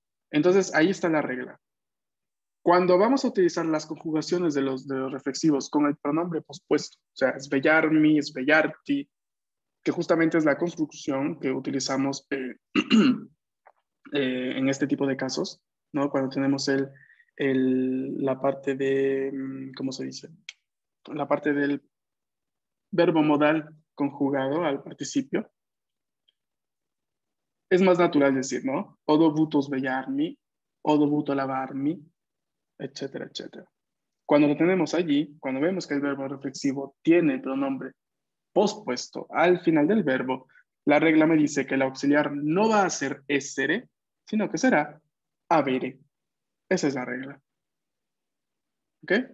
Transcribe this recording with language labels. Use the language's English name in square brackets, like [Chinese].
[Spanish] Entonces, ahí está la regla. Cuando vamos a utilizar las conjugaciones de los reflexivos con el pronombre pospuesto, o sea, [Italian] svegliarmi, svegliarti, [Spanish] que justamente es la construcción que utilizamos en este tipo de casos, ¿no? Cuando tenemos la parte de, ¿cómo se dice? La parte del verbo modal conjugado al participio. Es más natural decir, ¿no? [Italian] O dovuto svegliarmi, o dovuto lavarmi, etcétera, etcétera. [Spanish] Cuando lo tenemos allí, cuando vemos que el verbo reflexivo tiene el pronombre pospuesto al final del verbo, la regla me dice que el auxiliar no va a ser essere, sino que será avere. Esa es la regla. ¿Ok?